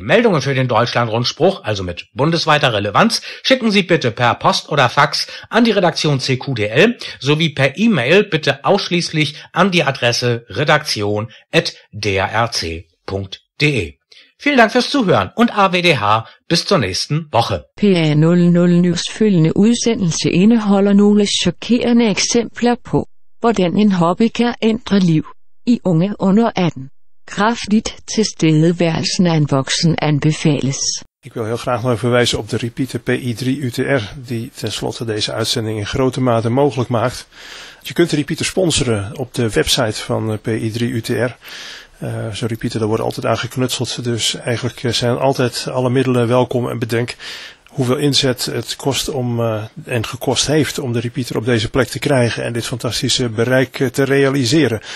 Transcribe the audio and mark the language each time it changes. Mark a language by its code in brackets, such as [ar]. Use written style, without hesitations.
[de] Meldungen für den Deutschlandrundspruch, also mit bundesweiter Relevanz, schicken Sie bitte per Post oder Fax an die Redaktion CQDL sowie per E-Mail bitte ausschließlich an die Adresse redaktion@drc.de. Vielen Dank fürs Zuhören und AWDH bis zur nächsten Woche. [da] PA00 News følgende udsendelse indeholder nogle chokerende eksempler på, hvordan en hobby kan ændre liv i unge under 18. Kraftigt tilstedeværelsen af en voksen anbefales. [nl] Ik wil heel graag nog verwijzen op de repeater PI3UTR, die tenslotte deze uitzending in grote mate mogelijk maakt. Je kunt de repeater sponsoren op de website van PI3UTR. Zo'n repeater, daar wordt altijd aan geknutseld, dus eigenlijk zijn altijd alle middelen welkom en bedenk hoeveel inzet het kost om en gekost heeft om de repeater op deze plek te krijgen en dit fantastische bereik te realiseren.